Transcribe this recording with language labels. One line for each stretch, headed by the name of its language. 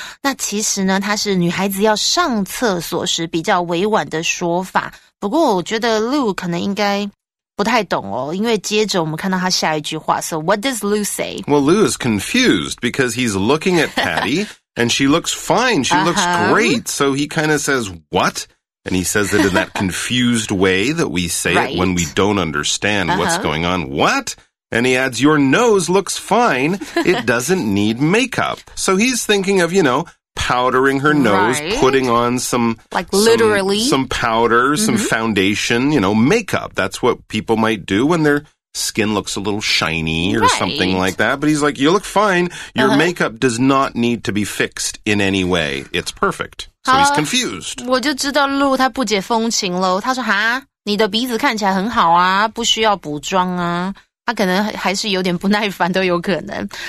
Chinese: 那其实呢，它是女孩子要上厕所时比较委婉的说法，不过我觉得 Lou 可能应该不太懂哦，因为接着我们看到他下一句话。
English: So what does Lou say? Well, Lou is confused because he's looking at Patty and she looks fine, she looks great. So he kind of says, what? And he says it in that confused way that we say it when we don't understand what's going on. What? And he adds, your nose looks fine. It doesn't need makeup. So he's thinking of, you know, powdering her nose, putting on some... Like literally. Some powder, some foundation, you know, makeup. That's what people might do when their skin looks a little shiny or something like that. But he's like, you look fine. Your makeup does not need to be fixed in any way. It's perfect. So he's confused.
Chinese: 我就知道露他不解风情咯。他说，哈，你的鼻子看起来很好啊，不需要补妆啊。他可能还是有点不耐烦都有可能。